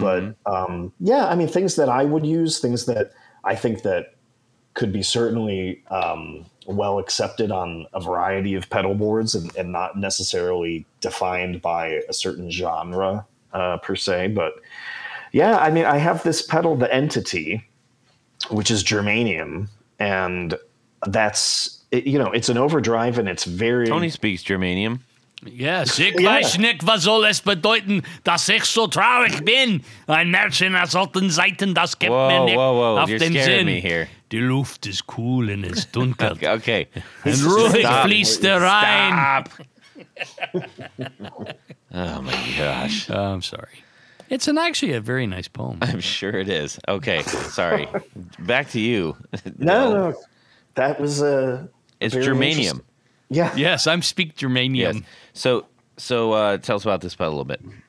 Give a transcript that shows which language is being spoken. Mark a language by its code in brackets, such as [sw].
[en] But yeah, I mean, things that I would use, things that I think that could be certainly well accepted on a variety of pedal boards and not necessarily defined by a certain genre per se. But yeah, I mean, I have this pedal, the Entity, which is germanium, and that's, it, you know, it's an overdrive and it's very... Tony speaks germanium. [de] Yes, ich weiß nicht, was soll es bedeuten, dass ich so traurig bin. Ein Märchen aus alten Zeiten, das gibt mir nicht auf den Sinn. [en] Whoa, you're scaring me here. [de] Die Luft ist cool und es dunkel. [en] Okay. [de] Und ruhig fließt der Rhein. [en] Stop. Oh my gosh. Oh, I'm sorry. It's an actually a very nice poem. I'm sure it is. Okay, sorry. Back to you. No. That was a It's germanium. Yeah. Yes, I'm speak germanium. Yes. So tell us about this pedal a little bit.